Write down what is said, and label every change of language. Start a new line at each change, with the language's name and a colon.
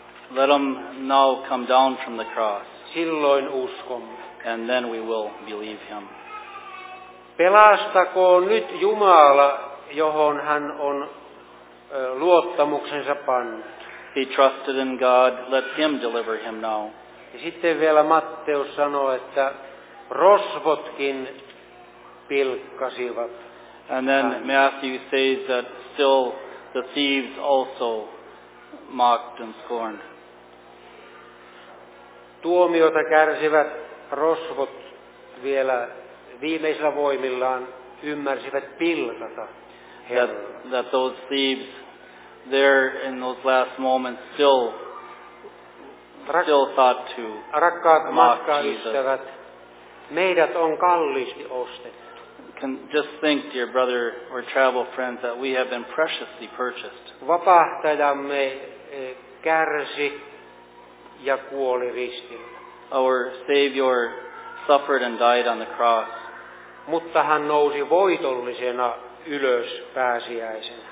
English: Let him now come down from the cross.
Finnish: Silloin uskomme.
English: And then we will believe him.
Finnish: Pelastakoon nyt Jumala, johon hän on luottamuksensa pannut.
English: He trusted in God, let him deliver him now.
Finnish: Ja sitten vielä Matteus sanoo, että rosvotkin pilkkasivat.
English: And then Matthew says that still the thieves also mocked and scorned.
Finnish: Tuomiota kärsivät rosvot vielä viimeisillä voimillaan ymmärsivät pilkata.
English: That those thieves there in those last moments still thought to
Finnish: rakkaat
English: mock
Finnish: ystävät, meidät on kalliisti ostettu.
English: Just think, dear brother or travel friends, that we have been preciously purchased.
Finnish: Vapahtajamme kärsi ja kuoli ristillä.
English: Our Savior suffered and died on the cross.
Finnish: mutta hän nousi voitollisena ylös pääsiäisenä.